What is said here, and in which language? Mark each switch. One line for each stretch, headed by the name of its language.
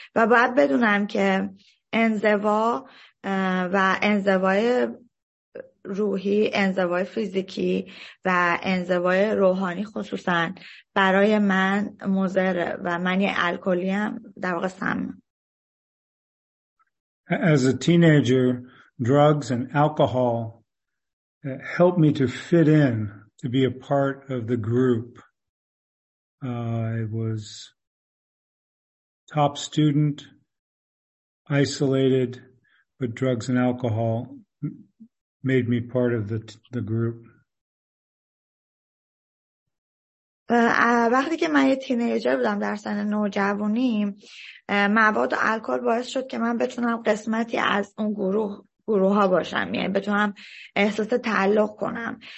Persian: و باید بدونم که انزوا و انزوای روحی، انزوای فیزیکی و انزوای روحانی خصوصا برای من مضر و من یه الکلی ام در واقع سم.
English: As a teenager, drugs and alcohol helped me to fit in, to be a part of the group. I was top student, isolated, but drugs and alcohol made me part of the group.
Persian: وقتی که من یه تینیجر بودم در سن نوجوانی مواد و الکل باعث شد که من بتونم قسمتی از اون گروه ها باشم، یعنی بتونم احساس تعلق کنم.